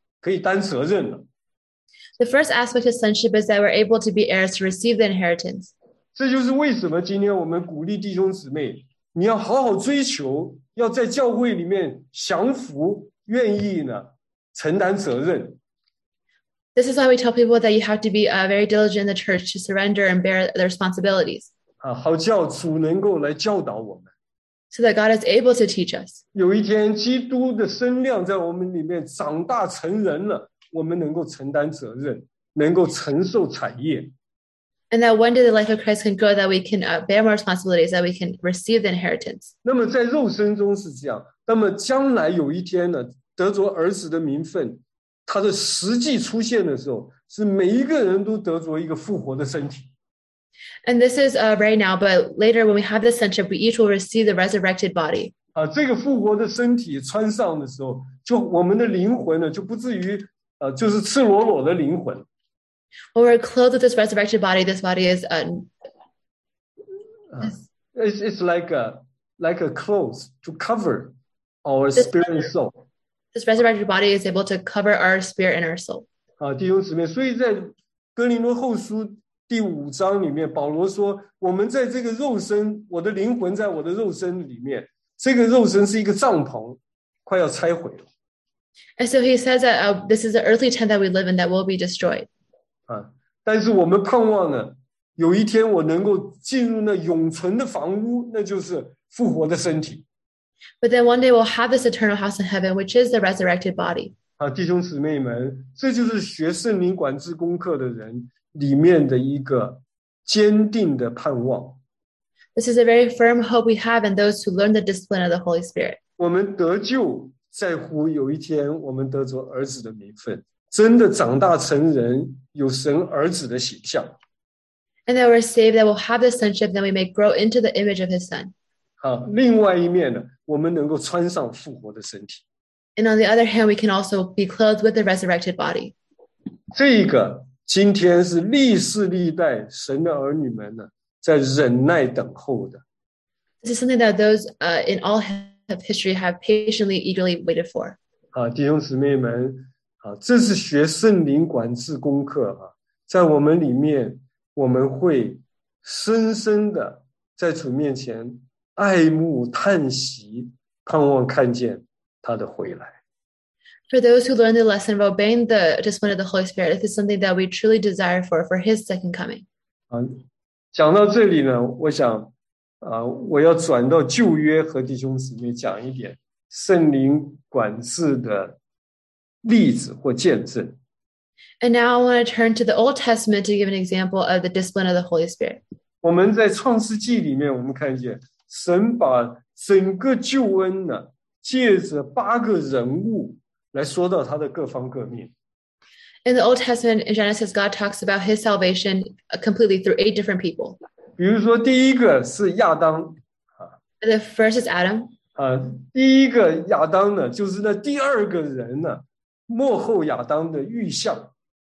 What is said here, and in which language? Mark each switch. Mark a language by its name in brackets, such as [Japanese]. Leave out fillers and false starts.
[Chinese] 可以担责任了。 [English] The first aspect of sonship is that we're able to be heirs to receive the inheritance. [Chinese] 这就是为什么今天我们鼓励弟兄姊妹，你要好好追求，要在教会里面降服，愿意呢，承担责任。 [English] This is why we tell people that you have to be very diligent in the church to surrender and bear the responsibilities. [Chinese] 好叫主能够来教导我们。 [English] So that God is able to teach us. [Chinese] 有一天基督的身量在我们里面长大成人了，我们能够承担责任，能够承受产业。 [English] And that one day the life of Christ can grow, that we can bear more responsibilities, that we can receive the inheritance. [Chinese] 那么在肉身中是这样，那么将来有一天呢，得着儿子的名分，他的实际出现的时候，是每一个人都得着一个复活的身体。 [English] And this is right now, but later when we have this sonship, we each will receive the resurrected body. [Chinese] 这个复活的身体穿上的时候，就我们的灵魂呢，就不至于就是赤裸裸的灵魂。 [English] When we're clothed with this resurrected body, this body is it's like a clothes to cover our spirit and soul. This resurrected body is able to cover our spirit and our soul. [Chinese] 弟兄姊妹，所以在哥林多后书第五章里面，保罗说，我们在这个肉身，我的灵魂在我的肉身里面，这个肉身是一个帐篷，快要拆毁了。 [English] And so he says that this is the earthly tent that we live in that will be destroyed. [Chinese] 但是我们盼望呢，有一天我能够进入那永存的房屋，那就是复活的身体。 [English] But then one day we'll have this eternal house in heaven, which is the resurrected body. [Chinese] 弟兄姊妹们，这就是学圣灵管制功课的人里面的一个坚定的盼望。 [English] This is a very firm hope we have in those who learn the discipline of the Holy Spirit. [Chinese] 我们得救在乎有一天我们得着儿子的名分，真的长大成人，有神儿子的形象。 [English] And that we're saved, that we'll have the sonship, that we may grow into the image of his son. [Chinese] 另外一面呢，我们能够穿上复活的身体。 [English] And on the other hand, we can also be clothed with the resurrected body. [Chinese] 这个今天是历世历代神的儿女们呢，在忍耐等候的。 [English] This is something that those in all of history have patiently, eagerly waited for. [Chinese] 弟兄姊妹们，这是学圣灵管制功课啊，在我们里面，我们会深深的在主面前爱慕叹息，盼望看见他的回来。 [English] For those who learn the lesson of obeying the discipline of the Holy Spirit, this is something that we truly desire for His second coming. [Chinese] 讲到这里呢，我想，我要转到旧约和弟兄姊妹讲一点圣灵管制的例子或见证。 [English] And now I want to turn to the Old Testament to give an example of the discipline of the Holy Spirit. [Chinese] 我们在创世纪里面，我们看见神把整个救恩呢，借着八个人物来说到他的各方各面。 [English] In the Old Testament, in Genesis, God talks about His salvation completely through eight different people. [Chinese] 比如说，第一个是亚当。 [English] The first is Adam. [Chinese] 第一个亚当呢，就是那第二个人呢，末后亚当的预象。